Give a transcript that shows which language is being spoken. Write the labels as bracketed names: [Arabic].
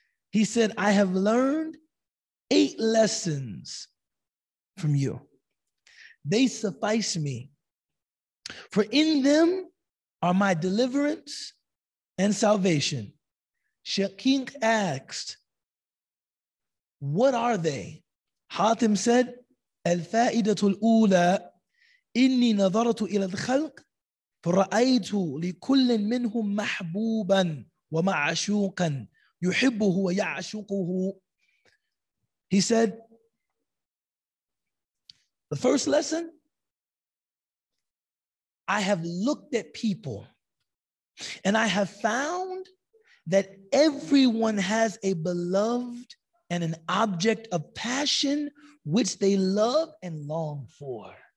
[English] He said, I have learned 8 lessons from you. They suffice me. For in them are my deliverance and salvation. Shaqiq asked, what are they? Hatim said, [Arabic] الفائدة الأولى إني نظرت إلى الخلق فرأيت لكل منهم محبوبا ومعشوقا يحبه ويعشقه. [English] He said, the first lesson, I have looked at people and I have found that everyone has a beloved and an object of passion which they love and long for.